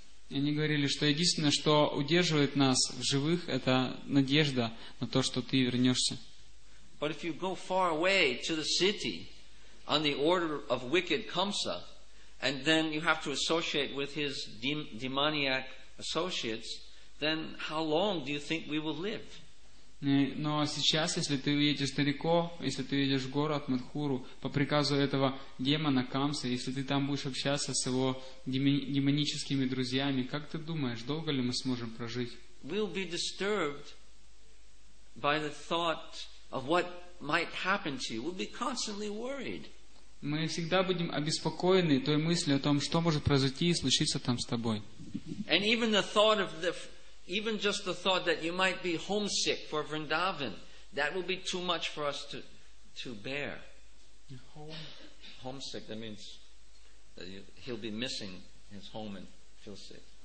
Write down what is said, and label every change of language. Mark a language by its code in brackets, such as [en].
[ru] Они говорили, что единственное, что удерживает нас в живых, это надежда на то, что ты вернешься. [en] But if you go far away to the city on the order of wicked Kamsa, and then you have to associate with his demoniac associates, then how long do you think we will live? [ru] Но сейчас, если ты уедешь далеко, если ты уедешь в город Мадхуру по приказу этого демона Камса, если ты там будешь общаться с его демоническими друзьями, как ты думаешь, долго ли мы сможем прожить? [en] We'll be disturbed by the thought of what might happen to you. We'll be constantly worried. [ru] Мы всегда будем обеспокоены той мыслью о том, что может произойти и случиться там с тобой. [en] And even the thought of the Even just the thought that you might be homesick for Vrindavan, that will be too much for us to bear. Homesick, that means that he'll be missing his home and feel sick.